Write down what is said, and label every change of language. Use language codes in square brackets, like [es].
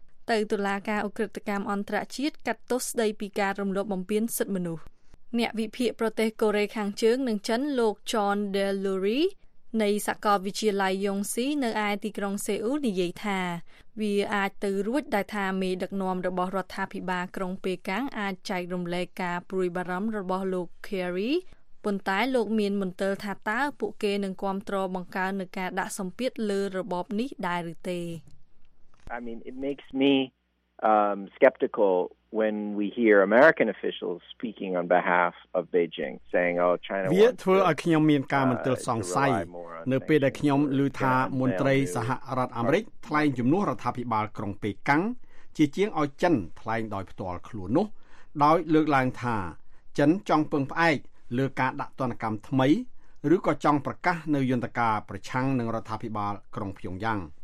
[km] ទៅតុលាការអូក្រិតកម្មអន្តរជាតិកាត់ទោសស្ដីពីការរំលោភបំពានសិទ្ធិមនុស្សអ្នកវិភាគប្រទេសកូរ៉េខាងជើងនិងចិនលោក John Delury នៃសាកលវិទ្យាល័យ Yongsei នៅឯទីក្រុងសេអ៊ូលនិយាយថាវាអាចទៅរួចដែលថាមេដឹកនាំរបស់រដ្ឋាភិបាលក្រុងប៉េកាំងអាចចែករំលែកការព្រួយបារម្ភរបស់លោក Kerry ប៉ុន្តែលោកមានមន្ទិលថាតើពួកគេនឹងគ្រប់គ្រងបង្កើននឹងការដាក់សម្ពាធលើរបបនេះដែរឬទេ [en] I mean it makes me skeptical when we hear American officials speaking on behalf of Beijing saying oh China [km] វាធ្វើឲ្យខ្ញុំមានការមន្ទិលសង្ស័យនៅពេលដែលខ្ញុំឮថាមន្ត្រីសហរដ្ឋអាមេរិកថ្លែងជំនួសរដ្ឋាភិបាលក្រុងប៉េកាំងជាជាងឲ្យចិនថ្លែងដោយផ្ទាល់ខ្លួននោះដោយលើកឡើងថាចិនចង់ពឹងផ្អែកលើការដាក់ទណ្ឌកម្មថ្មីឬក៏ចង់ប្រកាសនៅយន្តការប្រឆាំងនឹងរដ្ឋាភិបាលក្រុងព្យុងយ៉ាង